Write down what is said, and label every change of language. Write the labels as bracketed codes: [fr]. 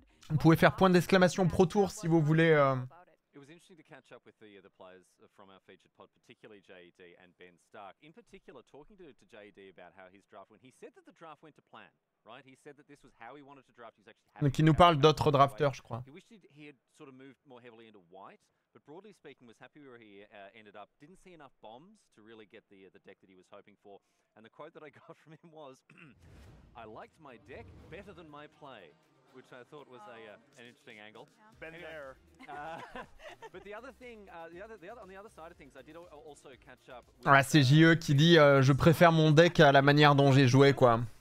[fr] Vous pouvez faire point d'exclamation Pro Tour si vous voulez. [en] It was interesting to catch up with the players from our featured pod, particularly JED and Ben Stark. In particular, talking to JED about how his draft went, he said that the draft went to plan, right? He said that this was how he wanted to draft. He's actually happy. [fr] Donc il nous parle d'autres drafteurs, je crois. [en] He wished he had sort of moved more heavily into white, but broadly speaking, was happy where he ended up. Didn't see enough bombs to really get the deck that he was hoping for. And the quote that I got from him was, I liked my deck better than my play. which I thought was an interesting angle. Been there. But the other thing, on the other side of things, I did also catch up. [fr] Ah, c'est JE qui dit je préfère mon deck à la manière dont j'ai joué, quoi.